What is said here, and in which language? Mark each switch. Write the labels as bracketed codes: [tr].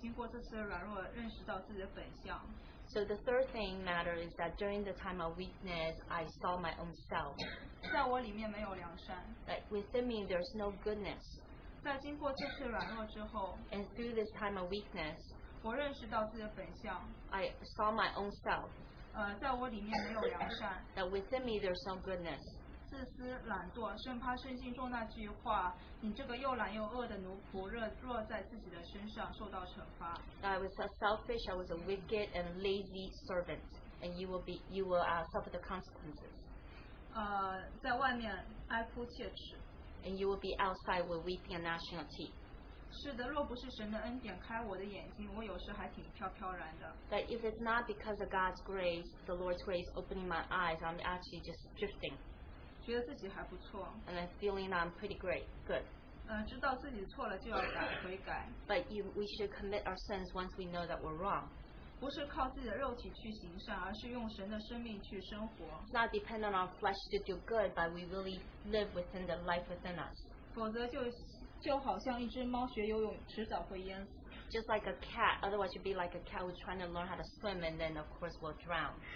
[zh] 第三件事情是我在主里经过这次的软弱认识到自己的本相。 [en] So the third thing matter is that during the time of weakness, I saw my own self. [zh] 在我里面没有良善, [en] that within me there's no goodness. [zh] 在经过这次软弱之后, [en] and through this time of weakness, [zh] 我认识到自己的本相, [en] I saw my own self. [zh] 在我里面没有良善, [en] that within me there's no goodness. [zh] 自私懒惰, 甚怕圣经中那句话, 你这个又懒又恶的奴仆, 若在自己的身上受到惩罚。 [en] I was a selfish, I was a wicked and lazy servant, and you will suffer the consequences. [zh] 在外面哀哭切齿, [en] and you will be outside with weeping and gnashing of teeth. [zh] 是的, 若不是神的恩典开我的眼睛, 我有时还挺飘飘然的。 [en] That if it's not because of God's grace, the Lord's grace opening my eyes, I'm actually just drifting. [zh] 觉得自己还不错, [en] and I'm feeling that I'm pretty great, good. [zh] 知道自己错了就要改悔改。 [en] But we should commit our sins once we know that we're wrong. [zh] 不是靠自己的肉体去行善, 而是用神的生命去生活。 [en] Not depend on our flesh to do good, but we really live within the life within us. [zh] 否则就好像一只猫学游泳迟早会淹死。 [en] Just like a cat, otherwise you'd be like a cat who's trying to learn how to swim and then of course will drown.